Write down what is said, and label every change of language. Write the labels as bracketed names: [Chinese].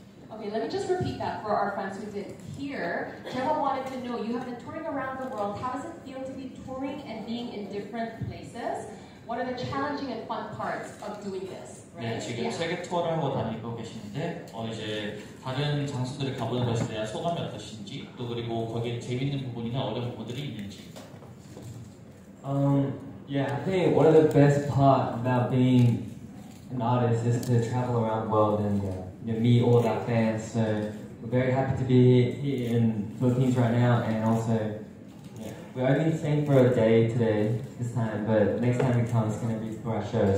[English] Okay, let me just repeat that for our friends who didn't hear. Chewa wanted to know, you have been touring around the world. How does it feel to be touring and being in different places? What are the challenging and fun parts of doing this? [Korean] 네, 지금 세계 투어를 하고 다니고 계시는데 이제 다른 장소들을 가보는 것에 대한 소감이 어떠신지 또 그리고 거기에 재밌는 부분이나 어려운 부분들이 있는지. [English] I think one of the best part about being an artist is to travel around the world and meet all of our fans. So we're very happy to be here in Philippines right now, and also we're only staying for a day today this time, but next time we come it's going to be for our show.